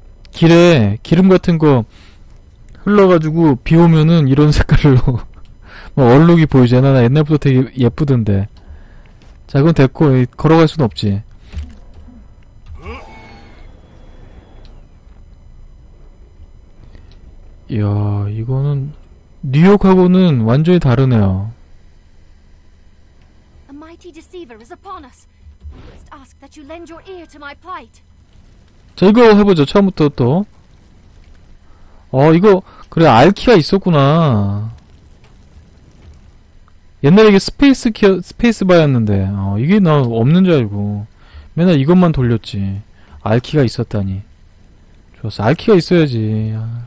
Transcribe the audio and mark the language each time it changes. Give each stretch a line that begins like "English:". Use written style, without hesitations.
Korean: 길에 기름 같은 거 흘러가지고 비 오면은 이런 색깔로 얼룩이 보이잖아. 나 옛날부터 되게 예쁘던데. 자, 그건 됐고 걸어갈 순 없지. 이야, 이거는 뉴욕하고는 완전히 다르네요.
English: A mighty deceiver is upon us. We must ask that you lend your ear to my plight.
Korean: 자, 이거 해보죠. 처음부터 또. 이거 그래 알키가 있었구나. 옛날에 이게 스페이스 바였는데. 이게 나 없는 줄 알고 맨날 이것만 돌렸지. 알키가 있었다니 좋았어. 알키가 있어야지.